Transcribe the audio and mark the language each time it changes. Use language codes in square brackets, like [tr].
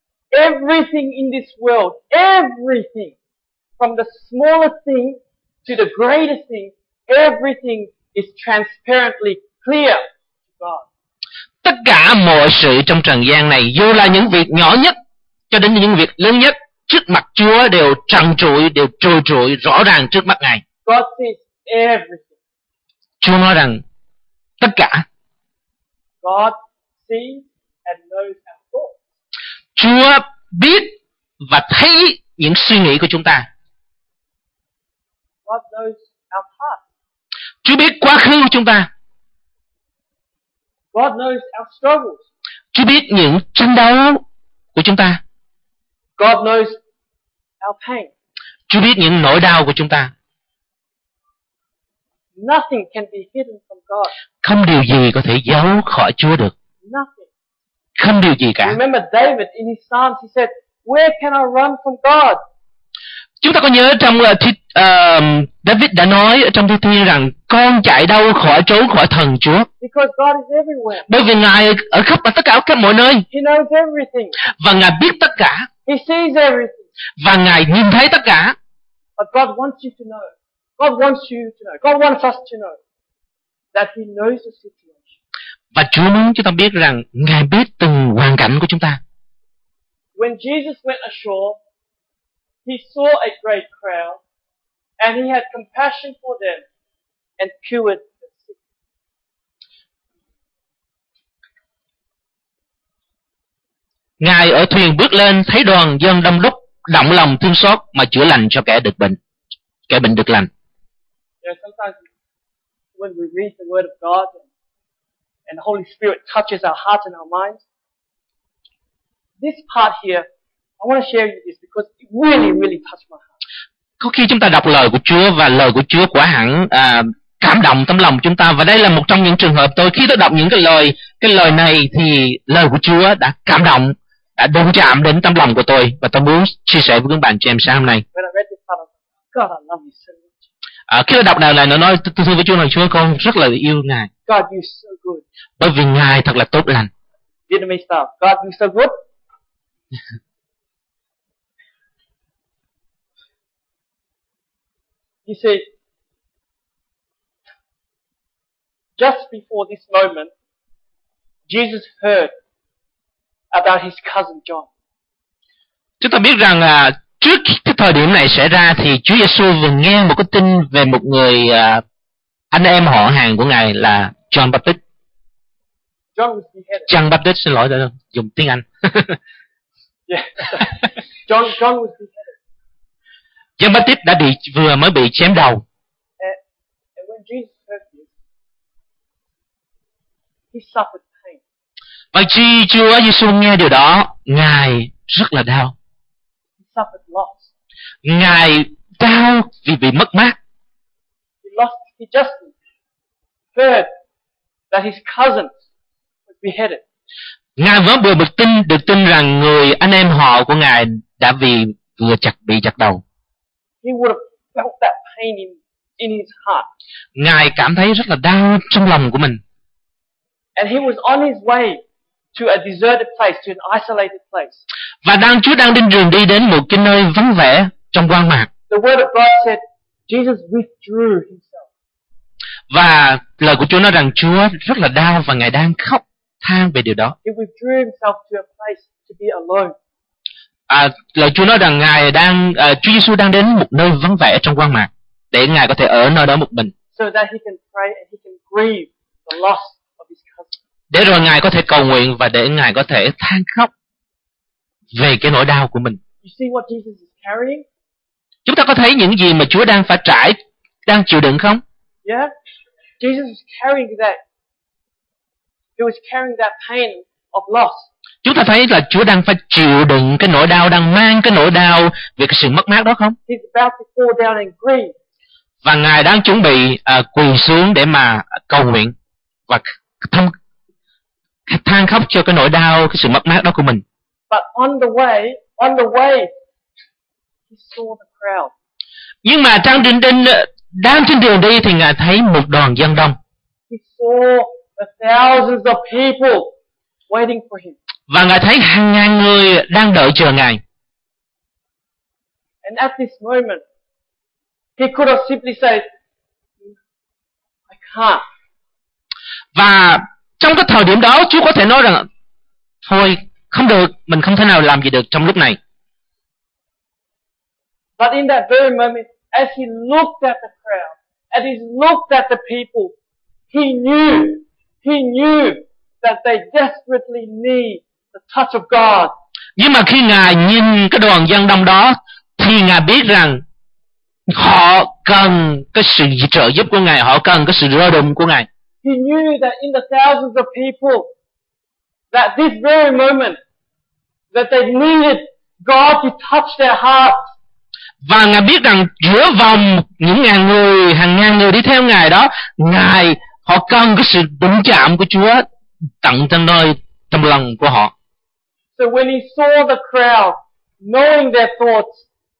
[en] Everything in this world, everything, from the smallest thing to the greatest thing, everything is transparently clear to God. [vi] Tất cả mọi sự trong trần gian này, dù là những việc nhỏ nhất cho đến những việc lớn nhất, trước mặt Chúa đều trần trụi, đều trôi trụi rõ ràng trước mắt Ngài. [en] God sees everything. [vi] Chúa nói rằng tất cả. [en] God sees and knows. [vi] Chúa biết và thấy những suy nghĩ của chúng ta. [en] God knows our past. [vi] Chúa biết quá khứ của chúng ta. [en] God knows our struggles. [vi] Chúa biết những tranh đấu của chúng ta. [en] God knows our pain. [vi] Chúa biết những nỗi đau của chúng ta. [en] Nothing can be hidden from God. [vi] Không điều gì có thể giấu khỏi Chúa được. [en] Nothing. [vi] Không điều gì cả. [en] Remember David in his Psalms, he said, "Where can I run from God?" [vi] Chúng ta có nhớ trong David đã nói trong Thi Thiên rằng con chạy đâu khỏi trốn khỏi thần Chúa? [en] Because God is everywhere. [vi] Bởi vì Ngài ở khắp tất cả các mọi nơi. [en] He knows everything. [vi] Và Ngài biết tất cả. [en] He sees everything. [vi] Và Ngài nhìn thấy tất cả. [en] But God wants you to know. God wants you to know. God wants us to know that He knows the situation. [vi] Và Chúa muốn chúng ta biết rằng Ngài biết từng hoàn cảnh của chúng ta. [en] When Jesus went ashore, He saw a great crowd, and He had compassion for them, and cured the sick. [vi] Ngài ở thuyền bước lên, thấy đoàn dân đông đúc, động lòng thương xót mà chữa lành cho kẻ bệnh được lành. [en] You know, sometimes when we read the Word of God, and the Holy Spirit touches our hearts and our minds, this part here, I want to share with you this because it really, really touched my heart. [vi] Có khi chúng ta đọc lời của Chúa và lời của Chúa quả hẳn cảm động tâm lòng chúng ta, và đây là một trong những trường hợp tôi khi tôi đọc những cái lời này thì lời của Chúa đã cảm động, đã đụng chạm đến tâm lòng của tôi, và tôi muốn chia sẻ với các bạn chị em sáng hôm nay. [en] When I read this part, God, I love you so much. [vi] Khi tôi đọc này là nói tôi thưa với Chúa rằng Chúa, con rất là yêu Ngài. [en] God, you're so good. [vi] Bởi vì Ngài thật là tốt lành. [en] Vietnamese stuff. God, you're so good. He said, just before this moment, Jesus heard about his cousin John. [vi] Chúng ta biết rằng trước cái thời điểm này xảy ra thì Chúa Giêsu vừa nghe một cái tin về một người anh em họ hàng của Ngài là John Baptist. [en] John [vi] Baptist, xin lỗi, dùng tiếng Anh. [en] Yeah. John was beheaded. [vi] John Baptist đã bị vừa mới bị chém đầu. [en] And when Jesus heard this, he suffered pain. [vi] Và khi Chúa Giêsu nghe điều đó, Ngài rất là đau. [en] He suffered loss. [vi] Ngài đau vì bị mất mát. [en] He just heard that his cousin was beheaded. [vi] Ngài vừa mới được tin rằng người anh em họ của Ngài đã bị chặt đầu. [en] He would have felt that pain in his heart. [vi] Ngài cảm thấy rất là đau trong lòng của mình. [en] And he was on his way to a deserted place, to an isolated place. [vi] Và Chúa đang trên đường đi đến một cái nơi vắng vẻ trong hoang mạc. [en] The word of God said Jesus withdrew himself. [vi] Và lời của Chúa nói rằng Chúa rất là đau và Ngài đang khóc than về điều đó. [en] He withdrew himself to a place to be alone. [vi] Lời Chúa nói rằng Ngài đang Chúa Giêsu đang đến một nơi vắng vẻ trong hoang mạc để Ngài có thể ở nơi đó một mình. [en] So that he can pray and he can grieve the loss of his cousin. [vi] Để rồi Ngài có thể cầu nguyện và để Ngài có thể than khóc về cái nỗi đau của mình. [en] You see what Jesus is carrying? [vi] Chúng ta có thấy những gì mà Chúa đang phải trải, đang chịu đựng không? [en] Yeah. Jesus is carrying that. He was carrying that pain of loss. [vi] Chúng ta thấy là Chúa đang phải chịu đựng cái nỗi đau, đang mang cái nỗi đau về cái sự mất mát đó không? [en] He's about to fall down and grieve. [vi] Và Ngài đang chuẩn bị quỳ xuống để mà cầu nguyện và than khóc cho cái nỗi đau, cái sự mất mát đó của mình. [en] But on the way, he saw the crowd. [vi] Nhưng mà đang trên đường đi thì Ngài thấy một đoàn dân đông. [en] He saw the thousands of people waiting for him. [vi] Và Ngài thấy hàng ngàn người đang đợi chờ Ngài. [en] And at this moment, he could have simply said, I can't. [vi] Và trong cái thời điểm đó, Chúa có thể nói rằng, thôi, không được, mình không thể nào làm gì được trong lúc này. [en] But in that very moment, as he looked at the crowd, as he looked at the people, he knew that they desperately need the touch of God. [vi] Nhưng mà khi Ngài nhìn cái đoàn dân đông đó thì Ngài biết rằng họ cần cái sự trợ giúp của Ngài, họ cần cái sự rơ đụng của Ngài. [en] He knew that in the thousands of people that this very moment that they needed God to touch their hearts. [vi] Và Ngài biết rằng giữa vòng những ngàn người, hàng ngàn người đi theo Ngài đó, Ngài họ cần cái sự đụng chạm của Chúa tận trong nơi trong lòng của họ. [en] So when he saw the crowd, knowing their thoughts,